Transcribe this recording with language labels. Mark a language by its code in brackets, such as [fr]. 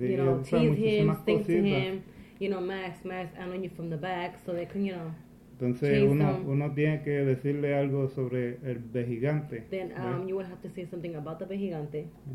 [en] you know, tease him, think to him, you know, mask, I know you from the back, so they can, you know. [es] Entonces uno tiene que decirle algo sobre el vejigante. [en] Then you will have to say something about the vejigante.